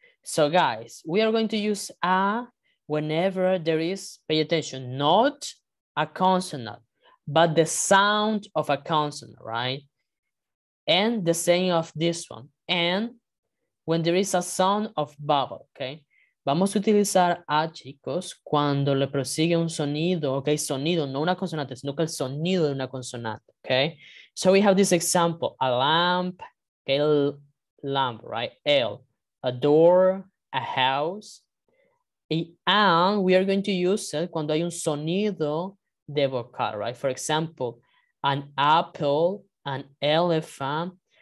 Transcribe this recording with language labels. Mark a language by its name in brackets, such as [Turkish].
[English] So guys, we are going to use a whenever there is, pay attention, not a consonant, but the sound of a consonant, right? And the same of this one. And when there is a sound of vowel, okay? [Spanish] Vamos a utilizar a, chicos, cuando le prosigue un sonido, okay? Sonido, no una consonante, sino que el sonido de una consonante, okay? [English] So we have this example, a lamp, okay? Lamp, right? L, a door, a house. And we are going to use it [Spanish] cuando hay un sonido de vocal, [English] right? For example, an apple, an elephant.